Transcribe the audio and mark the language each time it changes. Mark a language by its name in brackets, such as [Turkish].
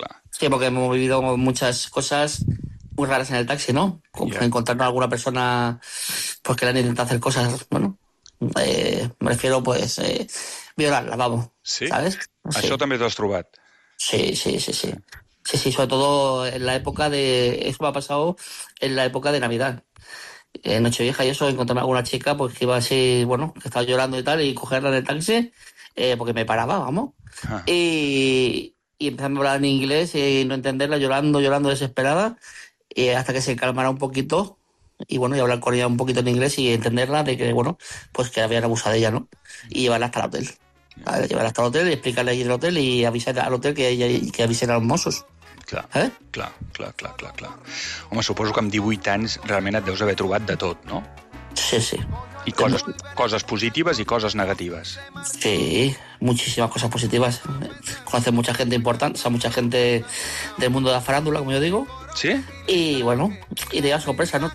[Spanish] Sí, porque hemos vivido muchas cosas muy raras en el taxi, ¿no? Como encontrarnos a alguna persona pues que le han intentado hacer cosas, bueno, me refiero, pues, violarla, vamos. Sí? ¿Sabes? [Catalan] Sí. Això també t'has trobat. Sí, sí, sí, sí. Sí, sí, sobretot en la època de... [Spanish] Eso me ha pasado en la época de Navidad. En Nochevieja y eso, encontrarme alguna chica pues, que iba así, bueno, que estaba llorando y tal, y cogerla en el taxi, porque me paraba, vamos. Ah. Y empezarme a hablar en inglés y no entenderla, llorando, desesperada, y hasta que se calmara un poquito, y bueno, y hablar con ella un poquito en inglés y entenderla de que, bueno, pues que habían abusado de ella, ¿no? Y llevarla hasta el hotel. Vale, llevar hasta el hotel y explicarle allí el hotel y avisar al hotel que avisen a los Mossos. [Catalan] Clar. Home, suposo que amb 18 anys realment et deus haver trobat de tot, no? Sí, sí. I coses positives i coses negatives. [Spanish] Sí, muchísimas cosas positivas. Conoces mucha gente importante, o sea, mucha gente del mundo de la farándula, como yo digo. Sí. Y bueno, y te da sorpresa, ¿no?